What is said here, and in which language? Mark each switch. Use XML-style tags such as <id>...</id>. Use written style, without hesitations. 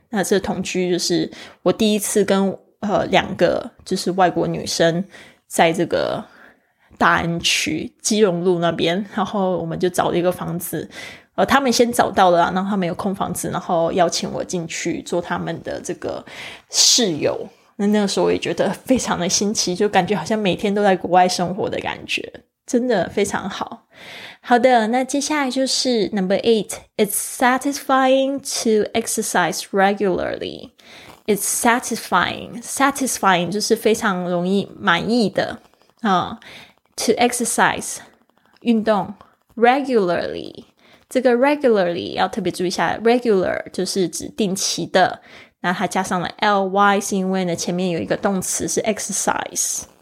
<zh>那这同居就是我第一次跟两个就是外国女生在这个大安区基隆路那边，然后我们就找了一个房子，他们先找到了，然后他们有空房子，然后邀请我进去做他们的这个室友。那那个时候我也觉得非常的新奇，就感觉好像每天都在国外生活的感觉，真的非常好。好的，那接下来就是</zh> <en>number 8， It's satisfying to exercise regularly. It's satisfying，</en> <zh>satisfying 就是非常容易满意的啊。</zh> <en>To exercise</en> <zh>运动 regularly， 这个 regularly 要特别注意一下， regular 就是指定期的，那它加上了 ly 是因为呢前面有一个动词是 exercise。</zh>